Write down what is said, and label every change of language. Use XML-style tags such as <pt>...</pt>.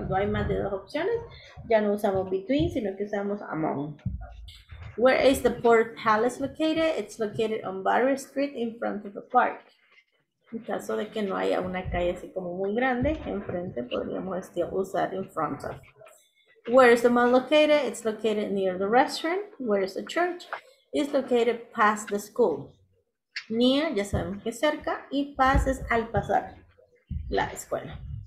<es>Cuando hay más de dos opciones, ya no usamos between, sino que usamos among.</es> <en>Where is the port palace located? It's located on Barry Street in front of the park.</en> <es>En caso de que no haya una calle así como muy grande, enfrente podríamos usar</es> <en>in front of. Where is the mall located? It's located near the restaurant. Where is the church? It's located past the school.</en> <es>Near, ya sabemos que es cerca, y pases al pasar la escuela.</es>